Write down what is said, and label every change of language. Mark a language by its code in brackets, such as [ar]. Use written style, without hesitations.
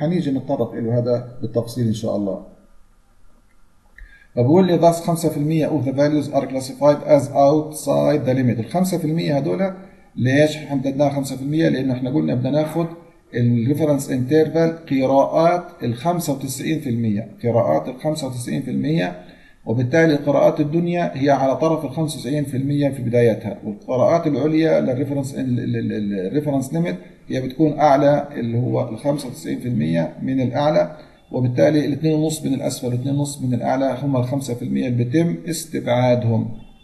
[ar] حنيجي نتطرق له هذا بالتفصيل ان شاء الله. فبقول لي [en] thus 5% of the values are classified as outside the limit. [ar] ال 5% هذول ليش حددناها 5%؟ لان احنا قلنا بدنا ناخذ الريفرنس انترفال قراءات ال 95%، قراءات ال 95%، وبالتالي قراءات الدنيا هي على طرف ال 95% في بدايتها، والقراءات العليا للريفرنس الريفرنس ليميت هي بتكون اعلى اللي هو ال 95% من الاعلى، وبالتالي ال 2.5 من الاسفل 2.5 من الاعلى هم ال 5% اللي بيتم استبعادهم.